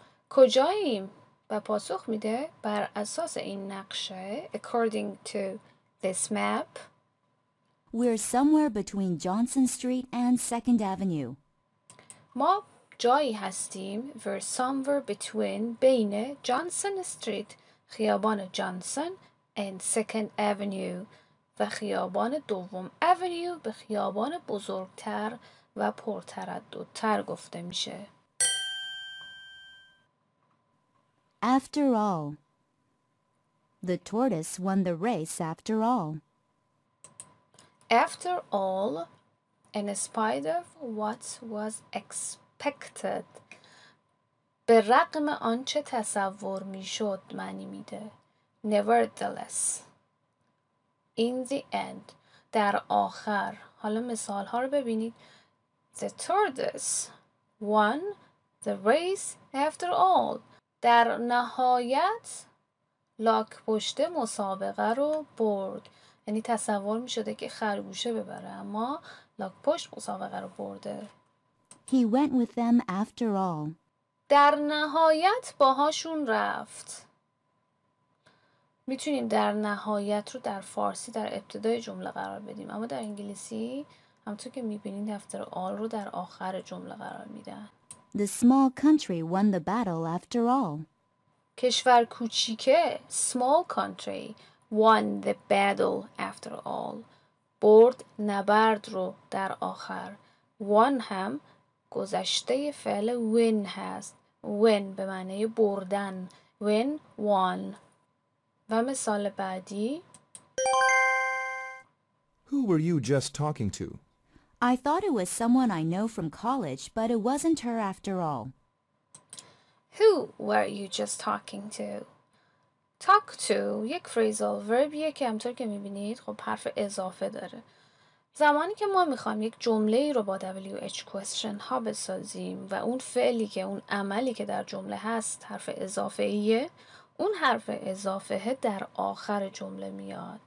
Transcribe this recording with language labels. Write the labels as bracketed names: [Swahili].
[Persian] کجاییم؟ و پاسخ میده بر اساس این نقشه [English] according to this map we're somewhere between Johnson Street and Second Avenue. [Persian] ما جایی هستیم [English] we're somewhere between [Persian] بین Johnson Street خیابان Johnson [English] and Second Avenue [Persian] و خیابان دوم Avenue به خیابان بزرگتر و پرتردتر گفته میشه. [English] After all, the tortoise won the race after all. After all, in spite of what was expected. [Persian] به رغم آنچه تصور می شد معنی می ده. [English] Nevertheless, in the end, [Persian] در آخر. حالا مثال ها رو ببینید. [English] The tortoise won the race after all. [Persian] در نهایت لاک پشت مسابقه رو برد. یعنی تصور می شده که خرگوشه ببره، اما لاک پشت مسابقه رو برده. [English] He went with them after all. [Persian] در نهایت باهاشون رفت. میتونیم در نهایت رو در فارسی در ابتدای جمله قرار بدیم، اما در انگلیسی همونطور که میبینید [English] after all [Persian] رو در آخر جمله قرار میدن. [English] The small country won the battle after all. [Persian] کشور کوچیکه [English] small country won the battle after all. [Persian] برد نبرد رو در آخر. won هم گذشته فعل win هست. win به معنی بردن. win won. و مثال بعدی. [English] Who were you just talking to? I thought it was someone I know from college, but it wasn't her after all. Who were you just talking to? [Persian] Talk to یک phrasal verbیه که همطور که میبینید خب حرف اضافه داره. زمانی که ما میخوایم یک جمله ای رو با WH question ها بسازیم و اون فعلی که اون عملی که در جمله هست حرف اضافه ایه، اون حرف اضافه در آخر جمله میاد.